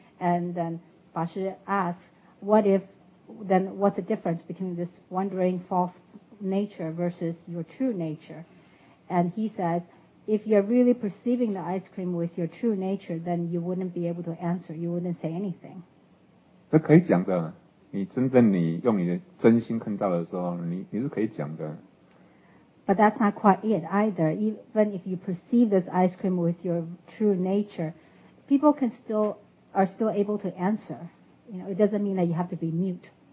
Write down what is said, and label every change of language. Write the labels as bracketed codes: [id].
[en] And then 法师 asks, what's the difference between this wandering false nature versus your true nature? And he says, if you're really perceiving the ice cream with your true nature, then you wouldn't be able to answer, you wouldn't say anything. [zh] 这可以讲的,你真正你用你的真心看到的时候,你是可以讲的。 [en] But that's not quite it either. Even if you perceive this ice cream with your true nature, people are still able to answer. You know, it doesn't mean that you have to be mute.